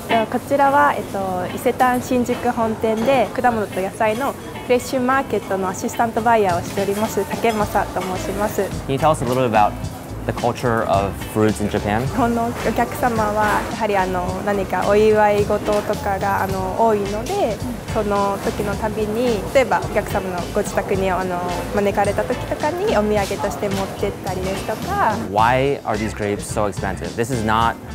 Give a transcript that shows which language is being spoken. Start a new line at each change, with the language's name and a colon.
Japanese: こちらは伊勢丹新宿本店で果物と野菜のフレッシュマーケットのアシスタントバイヤーをしております竹正と申します。
English: Can you tell us a little about the culture of fruits in Japan?
Japanese: 日本のお客様はやはり何かお祝い事とかが多いのでその時のたびに例えばお客様のご自宅に招かれた時とかにお土産として持ってったりですとか
English: Why are these grapes so expensive? This is not